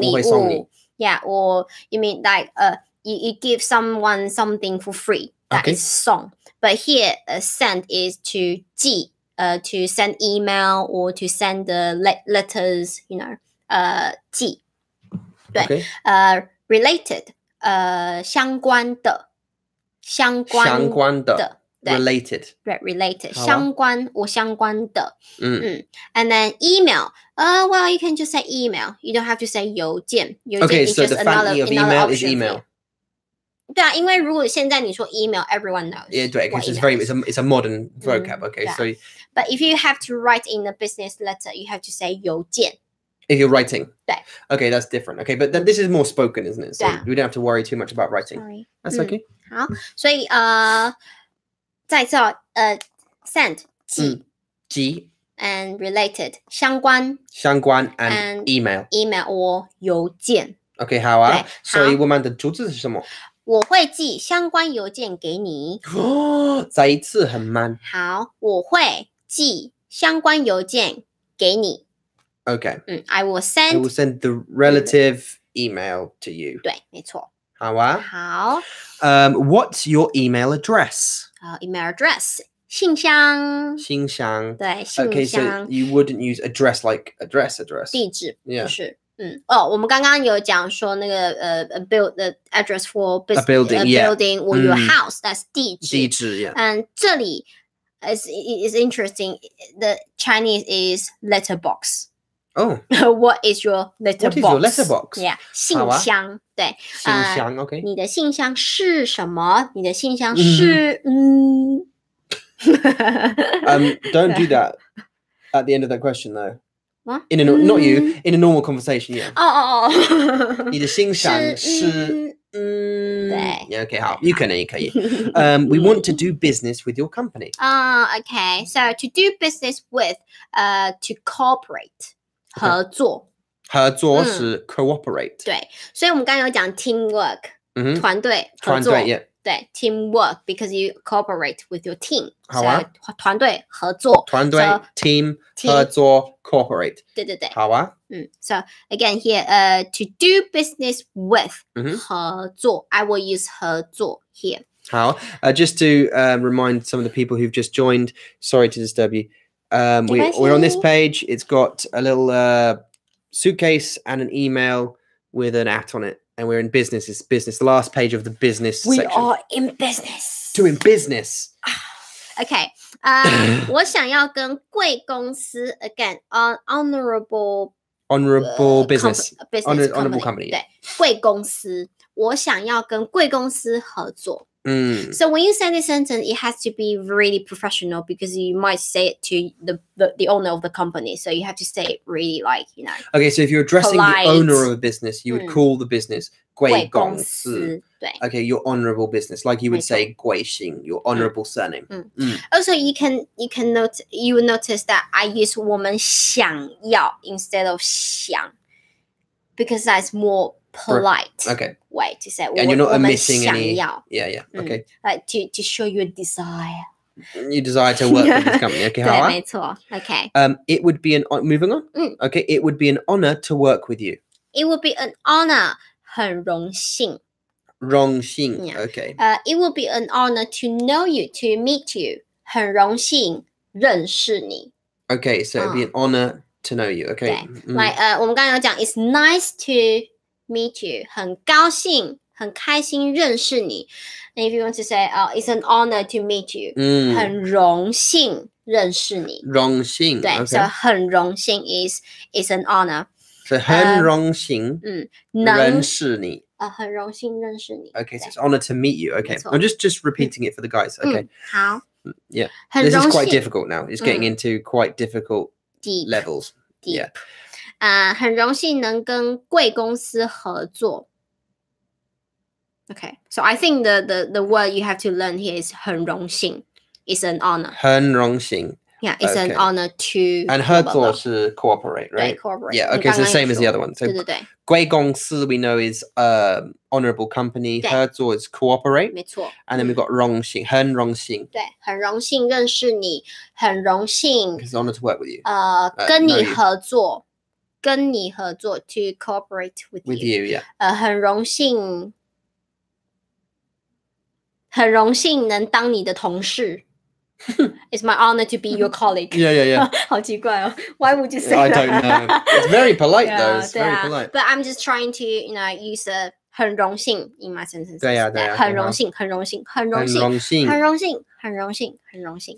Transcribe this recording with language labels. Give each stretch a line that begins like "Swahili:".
Chinese: li wu.
English: Yeah, or you mean like you give someone something for free. That、 okay. is song. But here, send is to ji, to send email or to send the letters, you know, ji. Okay.
Chinese: Related, 相关的相关的。相关的 Related.
English: Right, related. 相关我相关的、嗯嗯、And then email. Well, you can just say email. You don't have to say 邮件 Okay, is so the fancy of email is email.
Chinese: 对啊因为如果现在你说 email, everyone knows.
English: Yeah, 对 because it's a modern vocab.、嗯、okay, so. But if you have to write in a business letter, you have to say 邮件 If you're writing.
Chinese: 对
English: Okay, that's different. Okay, but this is more spoken, isn't it? So、 yeah. we don't have to worry too much about writing. Sorry. That's okay.、嗯
Chinese: 好，所以再次 send 寄、寄
English: and related 相关相关 and email email or 邮件。
Chinese: OK， 好啊。所以我们的主旨是什么？我会寄相关邮件给你。哦，再一次很慢。好，我会寄相关邮件给你。
English: OK， I will send. I will send the relative email to you.
Chinese: 对，没错。好啊。好。
English: What's your email address? Email address. 信箱。
Chinese: 信箱。对，信箱。
English: Okay, so you wouldn't use address like address address.
Chinese: 地址。 Yeah. 是。嗯，哦，我们刚刚有讲说那个 build the address for
English: business, a building, a building yeah, or your house, that's 地址。
Chinese: 地址 ，yeah.
English: And 这里 is interesting. The Chinese is letterbox. Oh, what is your letterbox? What is your letterbox?
Chinese: Yeah, 信箱，啊、对，信箱 ，OK。你的信箱是什么？你的信箱是
English: don't do that at the end of that question, though. In a not you in a normal conversation, yeah. Oh,
Chinese: 你的信箱是对， OK，好，你可能也可以。
English: We want to do business with your company. Okay. So to do business with, to cooperate, 合作。
Chinese: 合作是 cooperate. 对，所以我们刚刚有讲 teamwork，团队团队 ，yeah。
English: 对，teamwork because you cooperate with your team，
Chinese: 好啊，所以团队合作，团队
English: so, team 合作 cooperate，
Chinese: 对对对，好啊，
English: So again here， to do business with，合作，I will use 合作 here。好，just to remind some of the people who've just joined， sorry to disturb you， we're on this page， it's got a little suitcase and an email with an at on it。 And we're in business. It's business. The last page of the business we section. We are in business. Doing business. Okay.
Chinese: 我想要跟贵公司 again honorable
English: business business honorable company.
Chinese: 对，贵公司，我想要跟贵公司合作。
English: So when you send this sentence, it has to be really professional because you might say it to the owner of the company. So you have to say it really like, you know. Okay, so if you're addressing polite, the owner of a business, you would call the business
Chinese: 贵公司。对。
English: Okay, your honorable business, like you would say 贵姓, your honorable surname. Also, you will notice that I use 我们想要 instead of 想 because that's more polite. Okay. way to say and you're not omitting any
Chinese: 想要.
English: Yeah yeah okay like to show your desire to work with this company okay 对没错 okay it would be an moving on okay it would be an honor to work with you it would be an honor 很荣幸
Chinese: 荣幸 okay
English: it would be an honor to know you to meet you 很荣幸认识你 okay so it'd be an honor to know you okay like 我们刚刚有讲 it's nice toMeet you, 很高兴，很开心认识你。 And if you want to say, oh, it's an honor to meet you, 很荣幸认识你。
Chinese: 荣幸，对，
English: okay. So 很荣幸 is an honor.
Chinese: So 很荣幸认识你。很荣幸认识你。
English: Okay, so it's honor to meet you. Okay, I'm just repeating it for the guys. Okay.
Chinese: 好。
English: Yeah, this is quite difficult now. It's getting into quite difficult levels. Deep. Yeah.
Chinese: 很荣幸能跟贵公司合作。
English: Okay, so I think the word you have to learn here is 很荣幸 It's an honor.
Chinese: 很荣幸
English: Yeah, it's okay. an honor to... And 合作是 cooperate, right?
Chinese: 对 cooperate.
English: Yeah, okay, so the same as the other one. So
Chinese: 对对对。
English: 贵公司 we know is honorable company. 合作 is cooperate.
Chinese: 没错。
English: And then we've got 荣幸很荣幸。
Chinese: 对很荣幸认识你很荣幸。
English: It's an honor to work with you.
Chinese: 跟你合作。跟你合作 to cooperate with
English: you. With you, yeah.
Chinese: 很荣幸，很荣幸能当你的同事。
English: It's my honor to be your colleague. Yeah, yeah, yeah.
Chinese: 好奇怪哦。 Why would you say that?
English: I don't know. It's very polite, yeah, though. It's very polite. But I'm just trying to, you know, use a 很荣幸 in my sentences.
Chinese: 对啊，对啊。很荣幸，很荣幸，很荣幸，很荣幸，很荣幸。很荣幸，很荣幸。